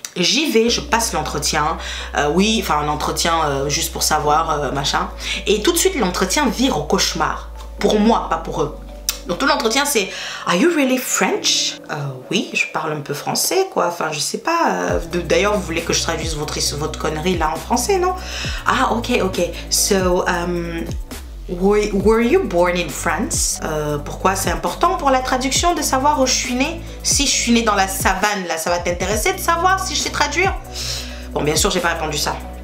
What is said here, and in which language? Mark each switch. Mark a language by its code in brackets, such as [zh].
[fr] J'y vais, je passe l'entretien. Oui, enfin un entretien juste pour savoir, machin. Et tout de suite, l'entretien vire au cauchemar. Pour moi, pas pour eux. Donc tout l'entretien, c'est « [en] Are you really French ?» [fr] Oui, je parle un peu français, quoi. Enfin, je sais pas. D'ailleurs, vous voulez que je traduise votre connerie là en français, non ? Ah, ok, ok. [en] So, Were you born in France? [fr] Pourquoi c'est important pour la traduction de savoir où je suis née? Si je suis née dans la savane, là, ça va t'intéresser de savoir si je sais traduire? Bon, bien sûr, j'ai pas répondu ça.